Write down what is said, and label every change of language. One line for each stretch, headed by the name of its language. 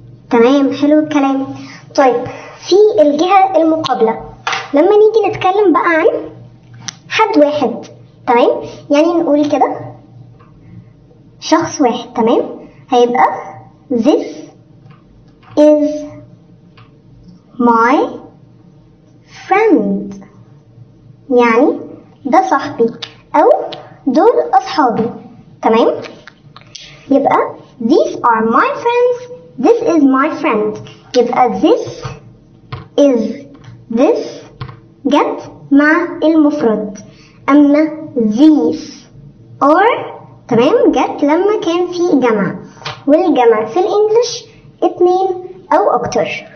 Arabic: تمام، حلو الكلام. طيب في الجهة المقابلة لما نيجي نتكلم بقى عن حد واحد، تمام؟ يعني نقول كده شخص واحد، تمام؟ هيبقى
English: this is my friend،
Arabic: يعني ده صاحبي او دول اصحابي. تمام؟ يبقى
English: these are my friends. This is my friend.
Arabic: يبقى
English: this is this
Arabic: جت مع المفرد، أما
English: these are
Arabic: تمام جت لما كان في جمع، والجمع في الإنجليش اتنين أو أكتر.